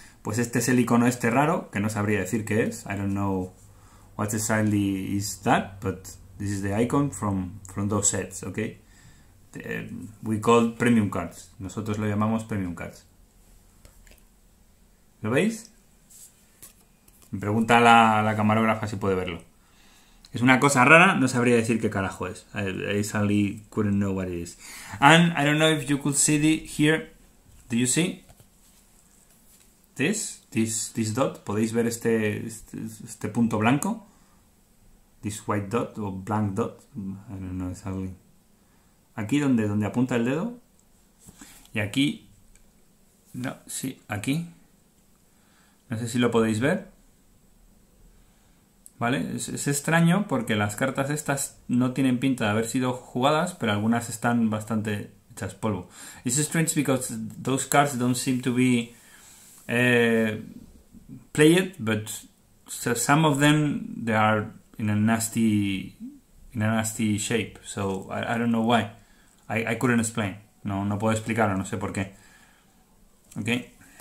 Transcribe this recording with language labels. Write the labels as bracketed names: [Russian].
[Spanish] Pues este es el icono este raro, que no sabría decir qué es. [English] I don't know what exactly is that, but this is the icon from those sets, okay? We call premium cards. [Spanish] Nosotros lo llamamos premium cards. ¿Lo veis? Me pregunta la camarógrafa si puede verlo. Es una cosa rara, no sabría decir qué carajo es. [English] I suddenly couldn't know what it is. And I don't know if you could see it here. Do you see? This dot, [Spanish] ¿podéis ver este punto blanco? [English] This white dot o blank dot. I don't know exactly. [Spanish] Aquí donde apunta el dedo. Y aquí. No, sí, aquí. No sé si lo podéis ver. ¿Vale? Es extraño porque las cartas estas no tienen pinta de haber sido jugadas, pero algunas están bastante hechas polvo. [English] It's strange because those cards don't seem to be played, but so some of them they are in a nasty shape. So I don't know why. I couldn't explain. [Spanish] No puedo explicarlo, no sé por qué. [English] Okay.